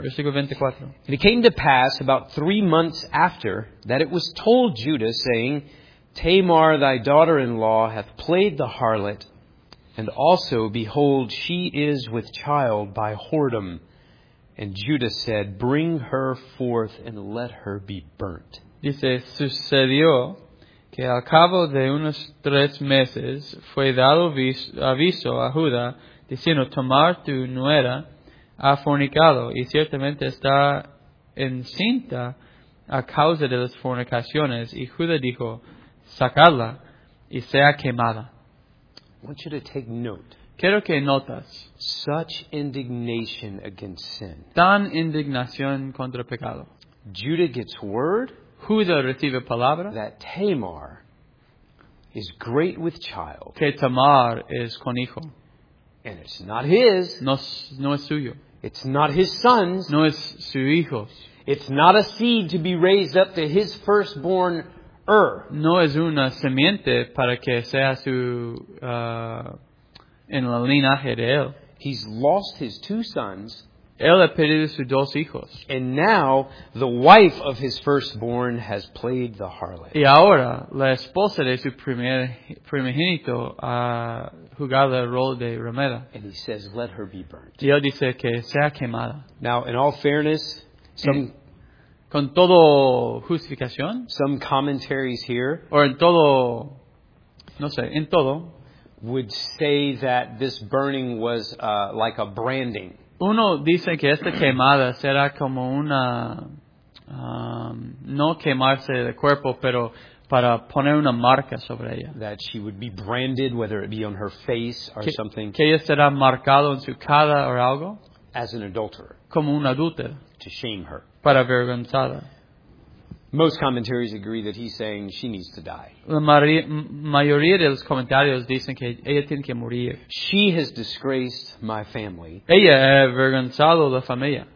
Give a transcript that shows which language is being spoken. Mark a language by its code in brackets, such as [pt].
[en] And it came to pass about 3 months after that it was told Judah, saying, Tamar, thy daughter-in-law, hath played the harlot, and also, behold, she is with child by whoredom. And Judah said, bring her forth and let her be burnt. [es] Dice, sucedió que al cabo de unos 3 meses fue dado aviso a Judá diciendo, Tamar, tu nuera, ha fornicado y ciertamente está encinta a causa de las fornicaciones. Y Judá dijo, sacadla y sea quemada. [en] I want you to take note. [es] Quiero que notas. [en] Such indignation against sin. [es] Tan indignación contra pecado. [en] Judah gets word. [es] Judá recibe palabra. [en] That Tamar is great with child. [es] Que Tamar es con hijo. [en] And it's not his. [es] No es suyo. [en] It's not his son's. [es] No es su hijo. [en] It's not a seed to be raised up to his firstborn heir. [es] No es una semiente para que sea su en la linaje de él. [en] He's lost his 2 sons. [es] Él ha perdido sus 2 hijos. [en] And now the wife of his firstborn has played the harlot. [es] Y ahora la esposa de su primogénito ha jugado el rol de ramera. [en] And he says, let her be burnt. [es] Y él dice que sea quemada. [en] Now, in all fairness, [es] con todo justificación, [en] some commentaries here, [es] or en todo, no sé, en todo, [en] would say that this burning was like a branding. [es] Uno dice que esta quemada será como una, no quemarse el cuerpo, pero para poner una marca sobre ella. [en] That she would be branded, whether it be on her face or [es] que, [en] something. [es] Que ella será marcado en su cara o algo. [en] As an adulterer. [es] Como un adúltero. [en] To shame her. [es] Para avergonzarla. [en] Most commentaries agree that he's saying she needs to die. [es] La mayoría de los comentarios dicen que ella tiene que morir. [en] She has disgraced my family. [es] Ella ha avergonzado la familia.